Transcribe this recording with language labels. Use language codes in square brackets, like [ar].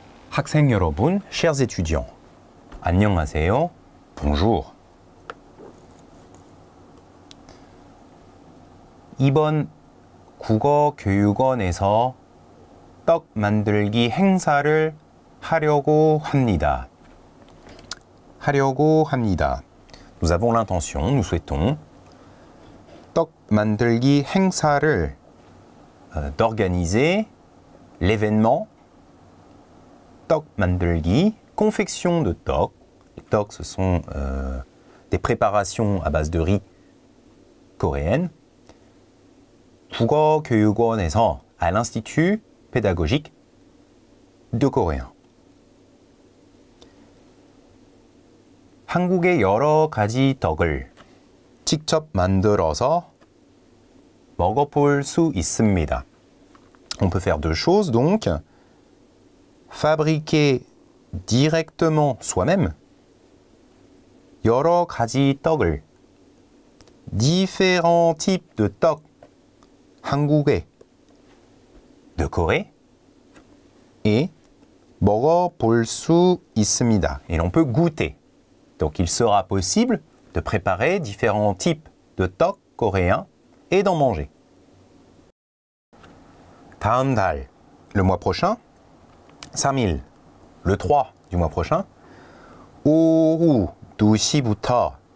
[ko] 학생 여러분, [fr] chers étudiants, [ko] 안녕하세요, [fr] bonjour. [ko] 이번 국어 교육원에서 떡 만들기 행사를 하려고 합니다. 하려고 합니다. [fr] Nous avons l'intention, nous souhaitons [ko] 떡 만들기 행사를 [fr] d'organiser l'événement 떡 만들기, confection de toc. Les toc, ce sont des préparations à base de riz coréenne. [ko] 국어 교육원에서, [fr] à l'institut pédagogique de coréen. [ko] 한국의 여러 가지 떡을 직접 만들어서 먹어볼 수 있습니다. [fr] On peut faire deux choses donc. Fabriquer directement soi-même [ko] 여러 가지 떡을 [fr] différents types de toc 한국에 de Corée [ko] et 먹어볼 수 있습니다. [fr] Et l'on peut goûter. Donc il sera possible de préparer différents types de toc coréens et d'en manger. [ko] 다음 달, [fr] le mois prochain. 3000, le 3 du mois prochain. [ko] 오후 2시부터,